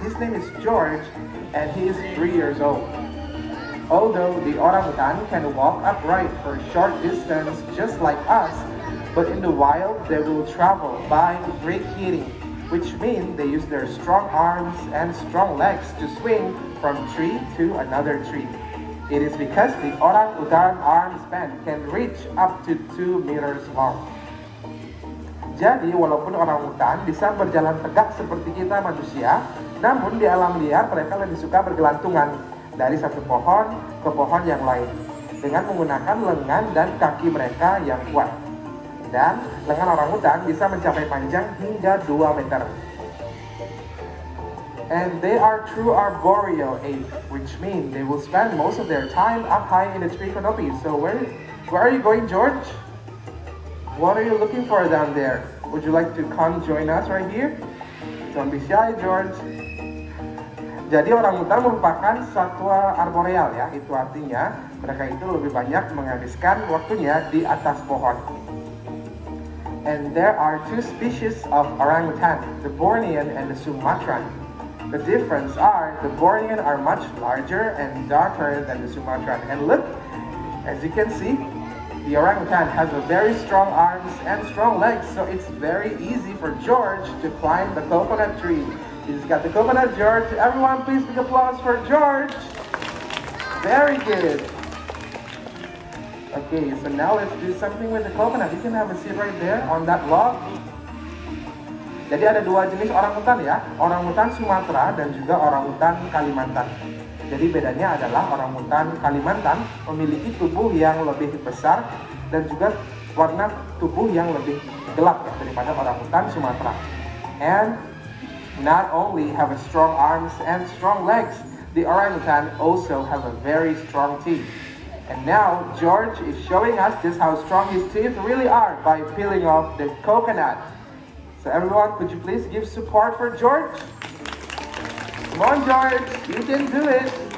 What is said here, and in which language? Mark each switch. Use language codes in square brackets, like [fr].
[en] His name is George and he is 3 years old. Although the orangutan can walk upright for a short distance just like us, but in the wild they will travel by great heating, which means they use their strong arms and strong legs to swing from tree to another tree. It is because the orangutan arm span can reach up to 2 meters long. [id] Jadi walaupun orang hutan bisa berjalan tegak seperti kita manusia, namun di alam liar mereka lebih suka bergelantungan dari satu pohon ke pohon yang lain dengan menggunakan lengan dan kaki mereka yang kuat. Dan lengan orang hutan bisa mencapai panjang hingga 2 meter. [en] And they are true arboreal ape, which means they will spend most of their time up high in the tree canopy. So where are you going, George? What are you looking for down there? Would you like to come join us right here? Don't be shy, George. [id] Jadi orangutan merupakan satwa arboreal ya. Itu artinya mereka itu lebih banyak menghabiskan waktunya di atas pohon. [en] And there are two species of orangutan, the Bornean and the Sumatran. The difference are the Bornean are much larger and darker than the Sumatran. And look, as you can see, the orangutan has a very strong arms and strong legs, so it's very easy for George to climb the coconut tree. He's got the coconut, George. Everyone, please big applause for George. Very good. Okay, so now let's do something with the coconut. You can have a seat right there on that log. [id] Jadi ada dua jenis orangutan ya, orangutan Sumatera dan juga orangutan Kalimantan. Jadi bedanya adalah orangutan Kalimantan memiliki tubuh yang lebih besar dan juga warna tubuh yang lebih gelap ya, daripada orangutan Sumatera. [en] And not only have a strong arms and strong legs, the orangutan also have a very strong teeth. And now George is showing us just how strong his teeth really are by peeling off the coconut. So everyone, could you please give support for George? Come on, George, you can do it.